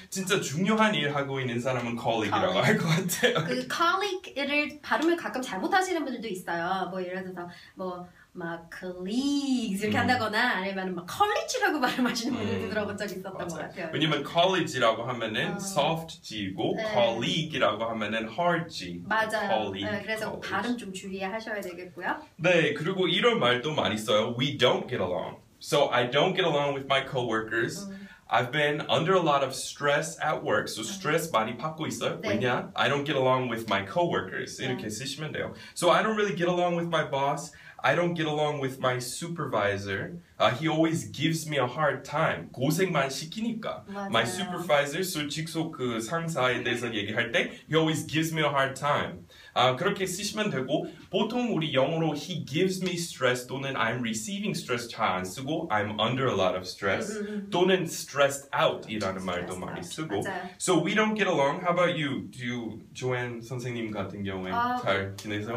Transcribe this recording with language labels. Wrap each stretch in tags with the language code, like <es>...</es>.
<ko>진짜 중요한 일 하고 있는 사람은 colleague이라고 할 것 같아요. 그 colleague를 발음을 가끔 잘못하시는 분들도 있어요. 뭐 예를 들어서 뭐 막 colleagues 이렇게 한다거나 아니면 막 college라고 발음하시는 분들도 들어본 적 있었던 맞아요. 것 같아요. 왜냐면 college라고 하면은 soft G고 네. colleague라고 하면은 hard G. 맞아요. Colleague, 네, 그래서 college. 발음 좀 주의하셔야 되겠고요. 네, 그리고 이런 말도 많이 써요.</ko> <en>We don't get along. So I don't get along with my coworkers. I've been under a lot of stress at work.</en> <ko>So stress 많이 받고 있어요. 네. 왜냐? I don't get along with my coworkers. 이렇게 네. 쓰시면 돼요.</ko> <en>So I don't really get along with my boss. I don't get along with my supervisor. He always gives me a hard time.</en> <ko>고생만 시키니까. 맞아요.</ko> <en>My supervisor, so</en> <ko>직속 그 상사에 대해서 얘기할 때</ko> <en>he always gives me a hard time.</en> <ko>그렇게 쓰시면 되고 보통 우리 영어로</ko> <en>he gives me stress</en> <ko>또는</ko> <en>I'm receiving stress</en> <ko>잘 안 쓰고</ko> <en>I'm under a lot of stress</en> <ko>또는 stressed out 이라는 말도 많이 쓰고 맞아요.</ko> <en>So we don't get along. How about you? Do you,</en> <ko>Joanne 선생님 같은 경우에 잘 지내세요?</ko>